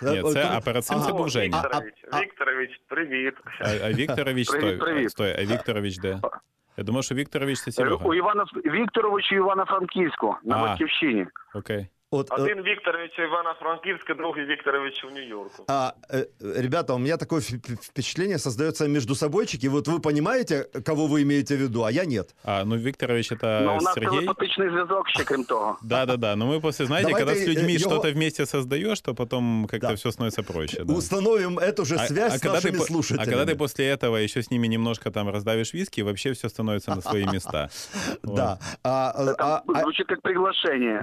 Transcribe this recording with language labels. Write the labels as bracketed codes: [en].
[uk] Ні, це, а перед цим це був Женя. Вікторович, привіт. А Вікторович, стой, а Вікторович де? Я думаю, що Вікторович це Серега. У Івана, Вікторович у Івано-Франківську на Батьківщині. Окей. Один Вікторович у Івано-Франківську, другий Вікторович у Нью-Йорку. [ru] А, ребята, у меня такое впечатление создается между собойчики. Вот вы понимаете, кого вы имеете в виду, а я нет. А, ну Вікторович это Сергей. Ну, у нас телепатичный [uk] зв'язок ще, крім того. [ru] Да-да-да, но мы после, знаете, давайте, когда с людьми его... что-то вместе создаешь, то потом как-то все становится проще. Да. Установим эту же связь с нашими слушателями. А когда ты после этого еще с ними немножко там раздавишь виски, вообще все становится на свои места. Да. Звучит как приглашение.